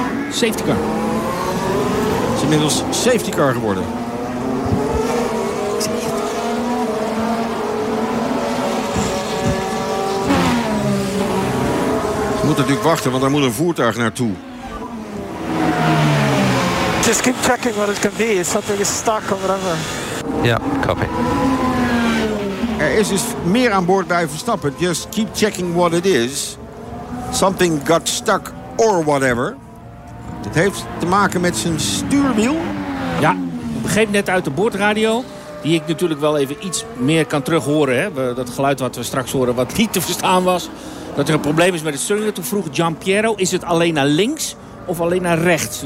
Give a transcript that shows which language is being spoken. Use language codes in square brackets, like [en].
[nl] Safety car. Het is inmiddels safety car geworden. Je moet natuurlijk wachten, want daar moet een voertuig naartoe. [en] Just keep checking what it can be. If something is stuck or whatever. Yeah, copy. [nl] Er is dus meer aan boord bij Verstappen. [en] Just keep checking what it is. Something got stuck or whatever. [nl] Het heeft te maken met zijn stuurwiel. Ja, ik begreep net uit de boordradio. Die ik natuurlijk wel even iets meer kan terughoren. Hè? Dat geluid wat we straks horen wat niet te verstaan was. Dat er een probleem is met het stuurwiel. Toen vroeg Gian Piero, is het alleen naar links of alleen naar rechts?